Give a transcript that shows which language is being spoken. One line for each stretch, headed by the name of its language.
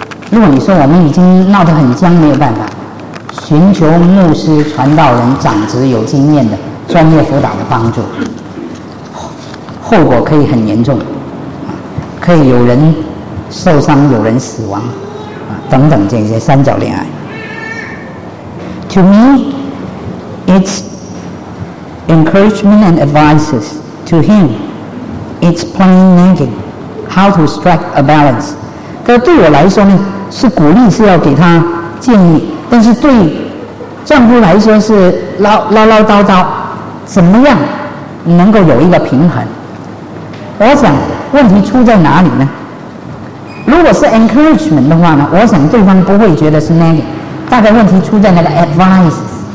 Chinese: 如果你说我们已经闹得很僵，没有办法，寻求牧师、传道人、长职有经验的专业辅导的帮助，后果可以很严重，可以有人受伤、有人死亡啊，等等这些三角恋爱。
English: To me it's encouragement and advices, to him it's plain nagging, how to strike a balance。
Chinese: 对我来说呢，是鼓励，是要给他建议，但是对丈夫来说是唠叨叨，怎么样能够有一个平衡。我想问题出在哪里呢？如果是 encouragement 的话呢，我想对方不会觉得是 nagging， 大概问题出在那个 advices。